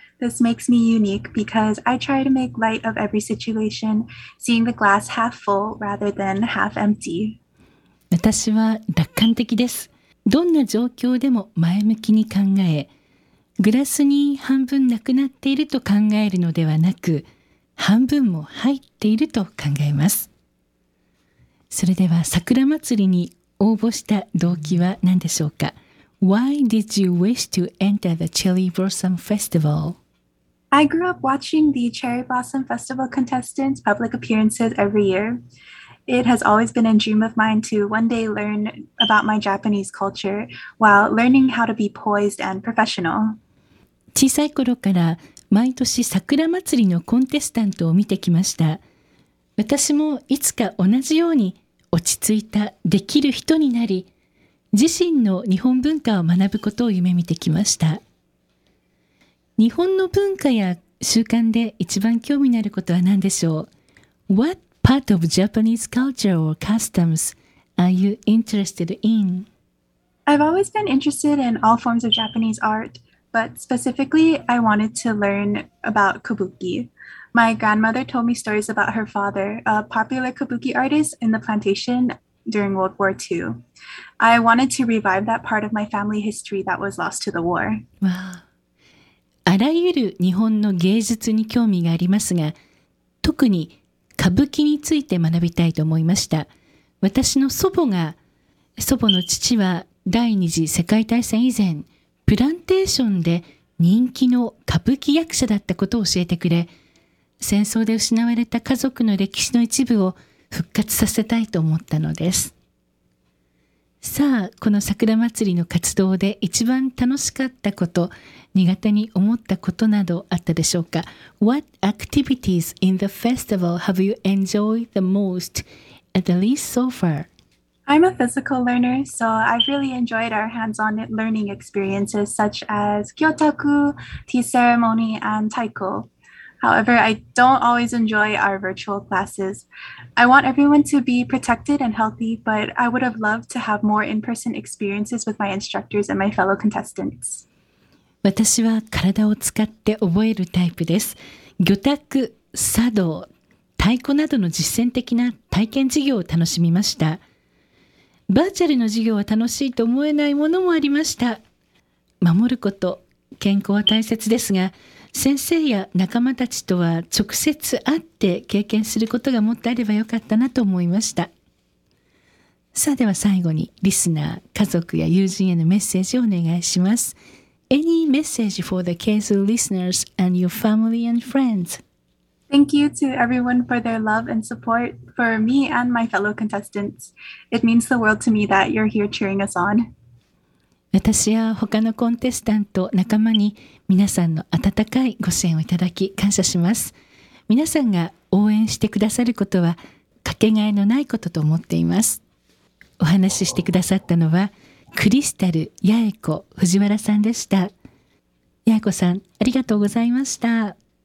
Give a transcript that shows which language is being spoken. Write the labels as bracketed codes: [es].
[en] This makes me unique because I try to make light of every situation, seeing the glass half full rather than half empty. [ja] 私は楽観的です。どんな状況でも前向きに考え、グラスに半分なくなっていると考えるのではなく、半分も入っていると考えます。それでは桜祭りに応募した動機は何でしょうか? [en] Why did you wish to enter the Cherry Blossom Festival? I grew up watching the Cherry Blossom Festival contestants' public appearances every year. It has always been a dream of mine to one day learn about my Japanese culture while learning how to be poised and professional. [ja] 小さい頃から毎年桜祭りのコンテスタントを見てきました。私もいつか同じように落ち着いたできる人になり、自身の日本文化を学ぶことを夢見てきました。日本の文化や習慣で一番興味のあることは何でしょう? [en] What part of Japanese culture or customs are you interested in? I've always been interested in all forms of Japanese art, but specifically I wanted to learn about kabuki. My grandmother told me stories about her father, a popular kabuki artist in the plantation during World War II. I wanted to revive that part of my family history that was lost to the war. Wow. [ja] あらゆる日本の芸術に興味がありますが、特に歌舞伎について学びたいと思いました。私の祖母の父は第二次世界大戦以前、プランテーションで人気の歌舞伎役者だったことを教えてくれ、戦争で失われた家族の歴史の一部を復活させたいと思ったのです。さあ、この桜祭りの活動で一番楽しかったこと、苦手に思ったことなどあったでしょうか? [en] What activities in the festival have you enjoyed the most, at least so far? I'm a physical learner, so I've really enjoyed our hands-on learning experiences such as Kyotaku, Tea Ceremony, and Taiko. However, I don't always enjoy our virtual classes. I want everyone to be protected and healthy, but I would have loved to have more in-person experiences with my instructors and my fellow contestants. [ja] 私は体を使って覚えるタイプです。魚卓、茶道、太鼓などの実践的な体験授業を楽しみました。バーチャルの授業は楽しいと思えないものもありました。守ること、健康は大切ですが、先生や仲間たちとは直接会って経験することがもっとあればよかったなと思いました。さあでは最後にリスナー、家族や友人へのメッセージをお願いします。 [en] Any message for the KZU listeners and your family and friends? Thank you to everyone for their love and support for me and my fellow contestants. It means the world to me that you're here cheering us on. [ja] 私や他のコンテスタント仲間に皆さんの温かいご支援をいただき感謝します。皆さんが応援してくださることはかけがえのないことと思っています。お話ししてくださったのはクリスタル八重子藤原さんでした。八重子さん、ありがとうございました。